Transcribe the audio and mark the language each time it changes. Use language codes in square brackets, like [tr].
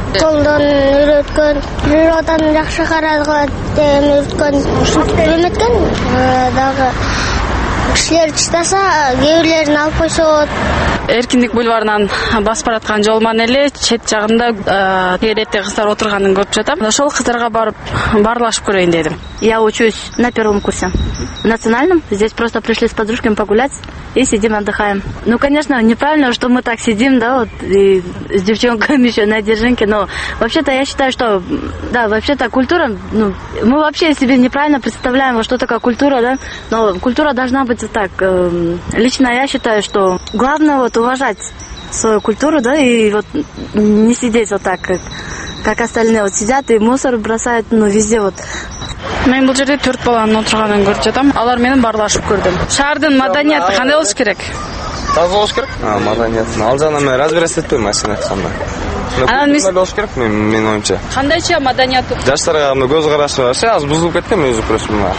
[ky] Колдон үйрөткөн, бир адам жакшы караткан деген үйрөткөн. Ушул үйрөткөн дагы кишилер чыдаса, кээ бирлерин алып койсо болот. Эркиндик бульварынан басып бараткан жол менен эле чет жагында кээдетте кыздар отурганын көрүп жатам. Ошол кыздарга барып баарлашып көрөйүн дедим. [ru] Я учусь на первом курсе. В национальном здесь просто пришли с подружками погулять и сидим отдыхаем. Ну, конечно, неправильно, что мы так сидим, да, вот, и с девчонками еще на одержинке, но вообще-то я считаю, что, да, вообще-то культура, ну, мы вообще себе неправильно представляем, что такое культура, да, но культура должна быть так. Лично я считаю, что главное вот уважать свою культуру, да, и вот не сидеть вот так, как остальные вот сидят и мусор бросают, ну, везде вот. [ky] Мен бул жерде 4 баланын отурганын көрүп жатам. Алар менен баарлашып көрдүм. Шаардын маданияты кандай болуш керек? Таза болуш керек. Маданиятын ал жагына мен разбираться этпейм, ачык айтканда. Анан мисалы болуш керек менин оюмча. Кандайча маданияты? Жаштарга мындай көз карашы барсы, аз бузулуп кеткен өзү көрөсүң мына.